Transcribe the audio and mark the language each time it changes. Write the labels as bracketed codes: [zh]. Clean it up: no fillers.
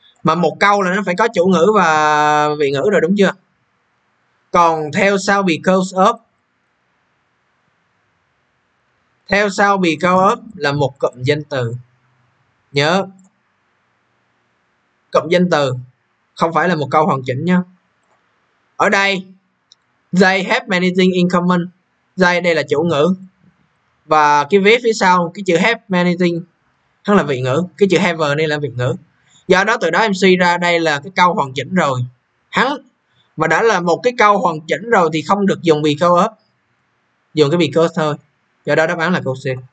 [vi] Mà một câu là nó phải có chủ ngữ và vị ngữ rồi đúng chưa? Còn theo sau [en] because of, [vi] theo sau because of là một cụm danh từ. Nhớ, cụm danh từ không phải là một câu hoàn chỉnh nhé. Ở đây [en] they have many things in common. They [vi] đây là chủ ngữ. Và cái vế phía sau, cái chữ [en] have many things [vi] hắn là vị ngữ. Cái chữ [en] have [vi] này là vị ngữ. Do đó từ đó em suy ra đây là cái câu hoàn chỉnh rồi. Hắn mà đã là một cái câu hoàn chỉnh rồi thì không được dùng [en] because of, [vi] dùng cái because thôi. Do đó đáp án là câu C.